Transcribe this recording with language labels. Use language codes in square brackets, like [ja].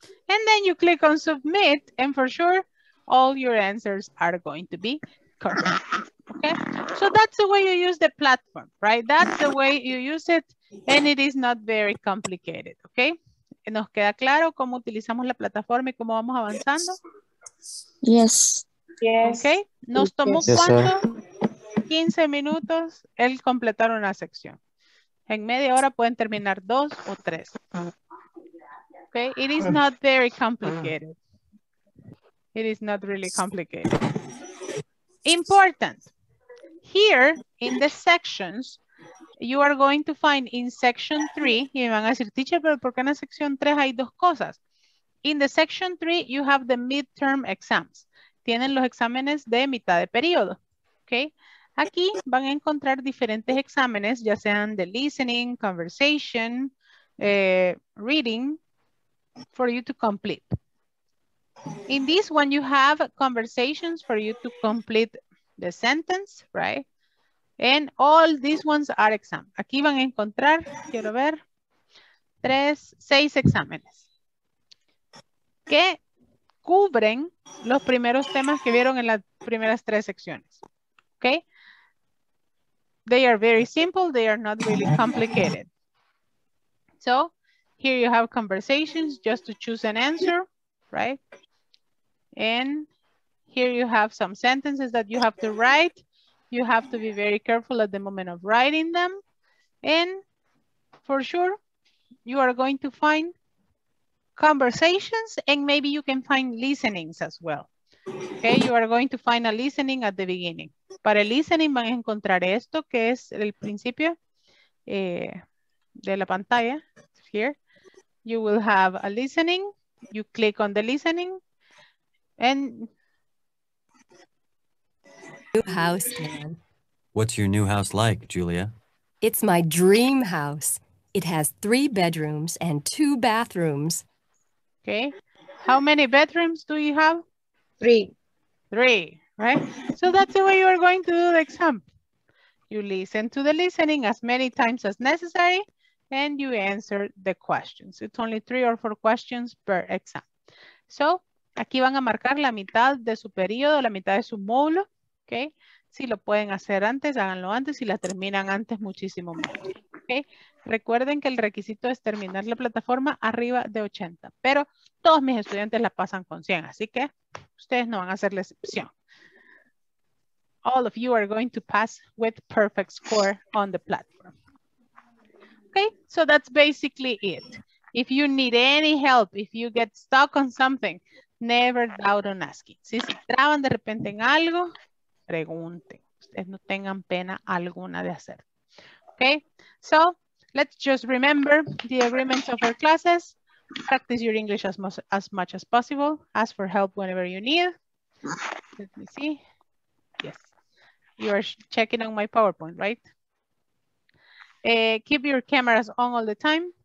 [en] And then you click on submit, and for sure, all your answers are going to be correct. Okay? So that's the way you use the platform, right? That's the way you use it, and it is not very complicated, okay? [es] ¿Nos queda claro cómo utilizamos la plataforma y cómo vamos avanzando? [en] Yes. Okay? [es] ¿Nos tomó cuánto? 15 minutos el completar una sección. En media hora pueden terminar dos o tres. [en] Okay, it is not very complicated. It is not really complicated. Important. Here in the sections, you are going to find in section 3, [es] y van a decir, teacher, pero ¿por qué en la sección 3 hay dos cosas? [en] In the section 3, you have the midterm exams. [es] Tienen los exámenes de mitad de periodo. Okay. Aquí van a encontrar diferentes exámenes, ya sean de listening, conversation, reading, [en] for you to complete. In this one, you have conversations for you to complete the sentence, right? And all these ones are exams. [es] Aquí van a encontrar, quiero ver, tres, seis exámenes que cubren los primeros temas que vieron en las primeras tres secciones, okay? [en] They are very simple, they are not really complicated. So, here you have conversations just to choose an answer, right? And here you have some sentences that you have to write. You have to be very careful at the moment of writing them. And for sure, you are going to find conversations and maybe you can find listenings as well. Okay, you are going to find a listening at the beginning. Para el listening van a encontrar esto que es el principio de la pantalla. Here, you will have a listening. You click on the listening. And new house, man. What's your new house like, Julia? It's my dream house. It has three bedrooms and two bathrooms. Okay. How many bedrooms do you have? Three. Three, right? So that's the way you are going to do the exam. You listen to the listening as many times as necessary and you answer the questions. It's only three or four questions per exam. [es] So aquí van a marcar la mitad de su periodo, la mitad de su módulo, ¿ok? Si lo pueden hacer antes, háganlo antes y la terminan antes muchísimo más, ¿ok? Recuerden que el requisito es terminar la plataforma arriba de 80, pero todos mis estudiantes la pasan con 100, así que ustedes no van a hacer la excepción. [en] All of you are going to pass with perfect score on the platform. ¿Ok? So that's basically it. If you need any help, if you get stuck on something, never doubt on asking. [es] Si se traban de repente en algo, pregunten. Ustedes no tengan pena alguna de hacer. Okay? [en] So, let's just remember the agreements of our classes. Practice your English as much as possible. Ask for help whenever you need. Let me see. Yes. You are checking on my PowerPoint, right? Keep your cameras on all the time.